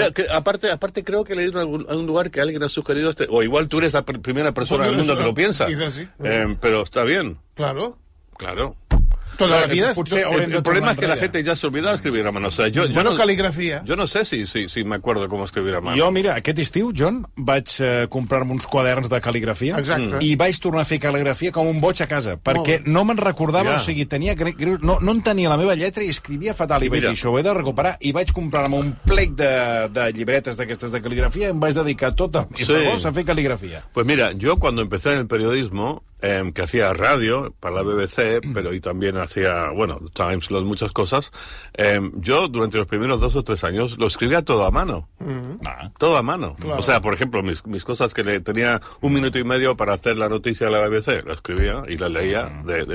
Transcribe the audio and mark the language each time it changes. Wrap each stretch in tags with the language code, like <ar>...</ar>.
<es>Aparte creo que leí en algún lugar que alguien ha sugerido este, o igual tú eres la primera persona del mundo que lo piensa. Pero está bien. Claro. El problema es que la gente ya se olvidó de escribir a mano. O sea, bueno, caligrafia. Jo no sé si me acuerdo com escribir a mano.</es> <ca>Jo, mira, aquest estiu, John, vaig comprar-me uns quaderns de caligrafia. Exacte. I vaig tornar a fer caligrafia com un boig a casa, perquè no me'n recordava, o sigui, tenia... No entenia la meva lletra i escrivia fatal. I vaig dir, això ho he de recuperar. I vaig comprar-me un plec de llibretes d'aquestes de caligrafia i em vaig dedicar tot el mes d'agost a fer caligrafia.</ca> <es>Pues mira,</es> <ca>jo, quan</ca> <es>empecé en el periodisme, que hacía radio para la BBC, pero y también hacía, bueno, Times, muchas cosas. Yo, durante los primeros 2 o 3 años, lo escribía todo a mano. Todo a mano. Claro. O sea, por ejemplo, mis cosas que le tenía un minuto y medio para hacer la noticia de la BBC, lo escribía y la leía.</es>